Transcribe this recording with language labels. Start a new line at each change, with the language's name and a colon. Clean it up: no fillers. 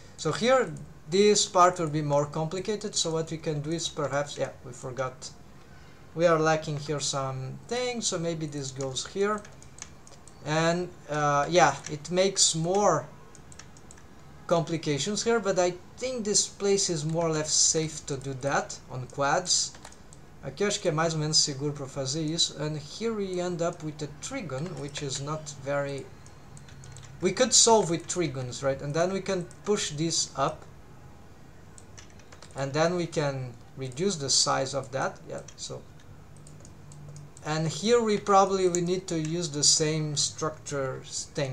English: So here, this part will be more complicated. So what we can do is perhaps, yeah, we forgot. We are lacking here some things, so maybe this goes here. And yeah, it makes more complications here, but I think this place is more or less safe to do that on quads.
Portuguese: Aqui acho que é mais ou menos seguro para fazer isso.
English: And here we end up with a trigon, which is not very... We could solve with trigons, right? And then we can push this up. And then we can reduce the size of that. Yeah, so... And here we probably we need to use the same structure thing.